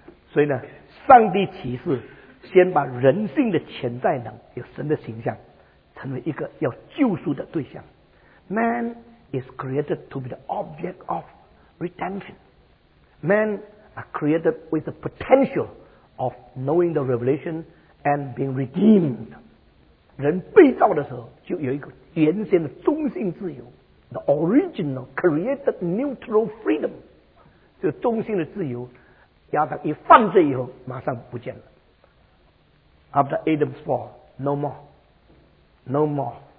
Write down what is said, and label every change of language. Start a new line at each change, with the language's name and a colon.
Chinese: 所以呢，上帝启示先把人性的潜在能有神的形象成为一个要救赎的对象。 Man
English: is created to be the object of redemption. Men are created with the potential of knowing the revelation and being redeemed.
Chinese: 人被造的时候就有一个原先的中心自由,
English: the original created neutral freedom.
Chinese: 这个中心的自由亚当一犯罪以后马上不见了.
English: After Adam's fall, no more. No more.